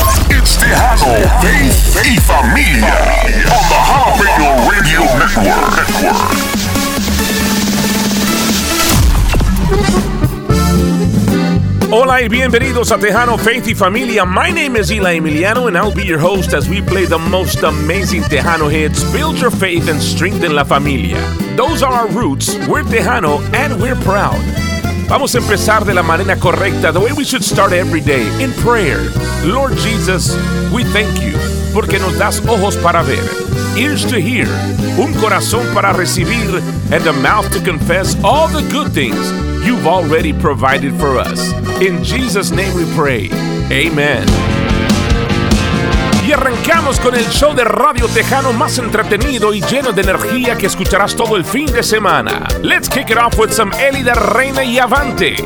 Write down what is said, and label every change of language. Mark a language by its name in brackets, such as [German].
[English] It's Tejano, Faith y Familia, on the Jalapeño Radio Network. [Spanish] Hola y bienvenidos a Tejano, Faith y Familia. [English] My name is Eli Emiliano and I'll be your host as we play the most amazing Tejano hits, build your faith and strengthen [Spanish] la familia. [English] Those are our roots, we're Tejano and we're proud. [Spanish] Vamos a empezar de la manera correcta, [English] the way we should start every day, in prayer. Lord Jesus, we thank you, [Spanish] porque nos das ojos para ver, [English] ears to hear, [Spanish] un corazón para recibir, [English] and a mouth to confess all the good things you've already provided for us. In Jesus' name we pray. Amen. [Spanish] Y arrancamos con el show de Radio Tejano más entretenido y lleno de energía que escucharás todo el fin de semana. [English] Let's kick it off with some Elida Reina y Avante.